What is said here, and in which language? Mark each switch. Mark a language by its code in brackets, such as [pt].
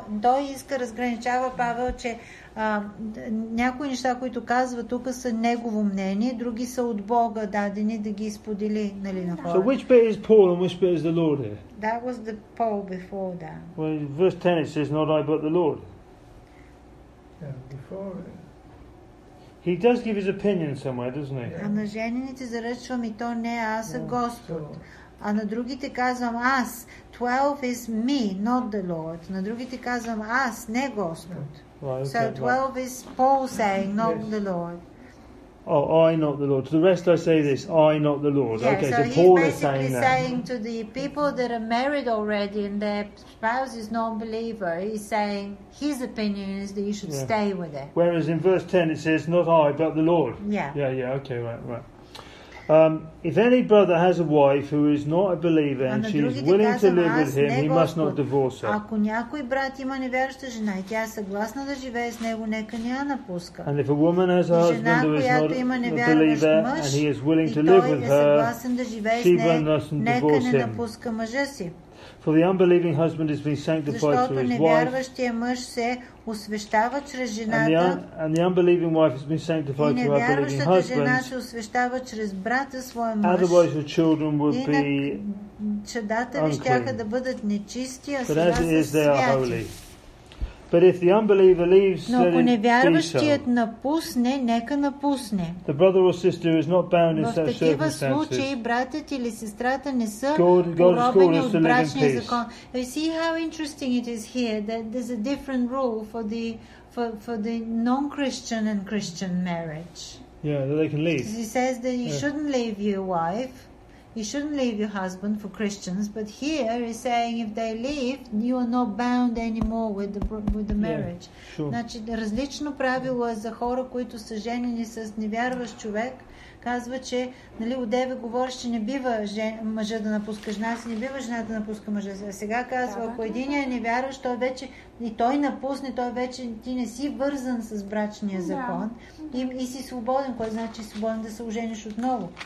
[bg] Той иска разграничава Павел, че някои неща, които казва тук, са негово мнение, други са от Бога дадени да ги сподели, нали, на хората. [en] So which bit is Paul and which bit is the Lord here? That was the Paul before that. Well, in verse 10 it says, not I but the Lord. Yeah, he does give his opinion somewhere, doesn't he? [bg] А на женените заръчвам и то не аз, а Господ. А на другите казвам аз. [en] 12 is me, not the Lord. [bg] На другите казвам аз, не Господ. [en] Right, okay, so 12 is Paul saying, not the Lord. Oh, I not the Lord. To the rest I say this, I not the Lord. Yeah, okay, so Paul is saying that. He's basically saying to the people that are married already and their spouse is non-believer, he's saying his opinion is that you should stay with it. Whereas in verse 10 it says, not I, but the Lord. Yeah, okay, right. If any brother has a wife who is not a believer and she is willing to live with him, he must not divorce her. [bg] Ако някой брат има невярваща жена и тя е съгласна да живее с него, нека не я напуска. [en] And if a woman has a husband who is not a believer and he is willing to live with her, she must not divorce him. For the unbelieving husband has been sanctified through his wife. [bg] Освещава чрез жената. [en] And the unbelieving wife has been sanctified through her believing husband. [bg] И невярващата жена се освещава чрез брата своя мъж. [en] Otherwise her children would be [bg] щяха да бъдат нечисти, а [en] But as it is, they are holy. But if the unbeliever leaves, [bg] но ако невярващият напусне, нека напусне. [en] The brother or sister is not bound in such circumstances. [bg] В такива случаи братът или сестрата не са уробени от брачния закон. [en] You see how interesting it is here that there's a different rule for the non-Christian and Christian marriage. Yeah, that they can leave. He says that you shouldn't leave your wife. You shouldn't leave your husband for Christians, but here he's saying if they leave, you are not bound anymore with the marriage. Yeah, sure. [bg] Значи различно правило е за хора, които са женени с невярващ човек, казва, че нали, Одеве говориш, че не бива мъжа да напуска жена си, не бива жена да напуска мъжа си. А сега казва, ако единия не вярваш, той вече и той напусне, той вече ти не си вързан с брачния закон и си свободен, кой значи свободен да се ожениш отново.